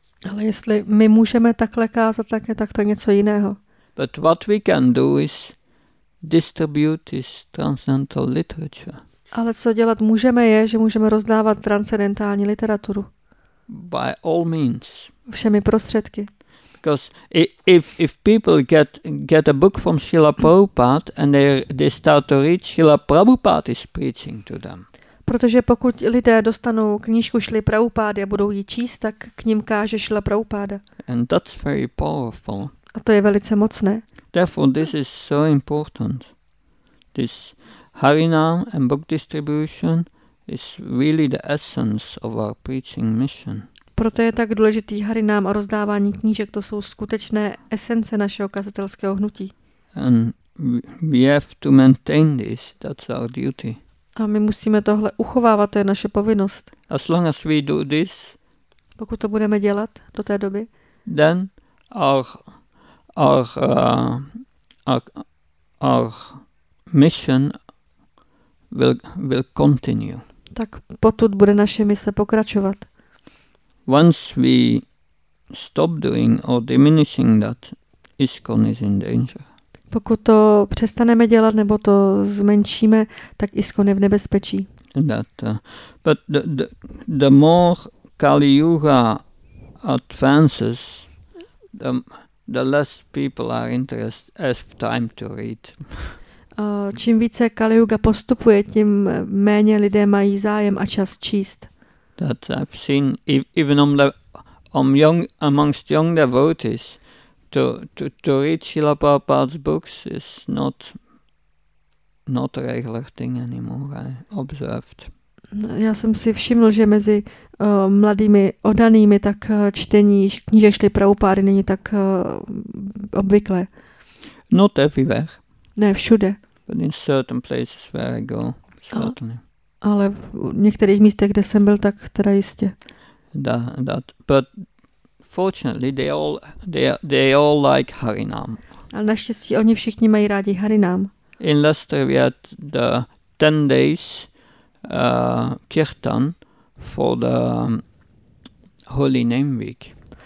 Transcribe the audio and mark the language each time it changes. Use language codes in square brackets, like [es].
[cs] Ale jestli my můžeme takhle kázat, tak to je něco jiného. [en] But what we can do is distribute this transcendental literature. [cs] Ale co dělat můžeme je, že můžeme rozdávat transcendentální literaturu. [en] By all means. [cs] Všemi prostředky. [en] Because if people get a book from Srila Prabhupada and they start to read, Srila Prabhupada is preaching to them. [cs] Protože pokud lidé dostanou knížku Šli Prabhupády a budou ji číst, tak k ním káže Šli Prabhupáda. [en] And that's very powerful. [cs] A to je velice mocné. [en] Therefore, this is so important. This Harinam and book distribution is really the essence of our preaching mission. [cs] Proto je tak důležitý Harinam a rozdávání knížek, to jsou skutečné esence našeho kazatelského hnutí. [en] And we have to maintain this, that's our duty. [cs] A my musíme tohle uchovávat, to je naše povinnost. [en] As long as we do this, [cs] pokud to budeme dělat do té doby, [en] then our mission will continue. [cs] Tak potud bude naše mise pokračovat. [en] Once we stop doing or diminishing that, ISKCON is in danger. [cs] Pokud to přestaneme dělat nebo to zmenšíme, tak ISKCON je v nebezpečí. [en] But the more Kali Yuga advances, the less people are interested have time to read. [cs] Čím více Kali Yuga postupuje, tím méně lidé mají zájem a čas číst. [en] That I've seen even amongst young devotees. To read Srila Prabhupada's books is not a regular thing anymore, I observed. [cs] Já jsem si všiml, že mezi mladými oddanými tak čtení knížek Šli Prabhupády není tak obvyklé. [en] Not everywhere. [cs] Ne, všude. [en] But in certain places where I go, certainly. [cs] Ale v některých místech, kde jsem byl, tak teda jistě. [en] That, but unfortunately they all like Harinam. [cs] A naštěstí oni všichni mají rádi Harinam. [en] In Leicester we had the 10 days kirtan for the Holy Name Week.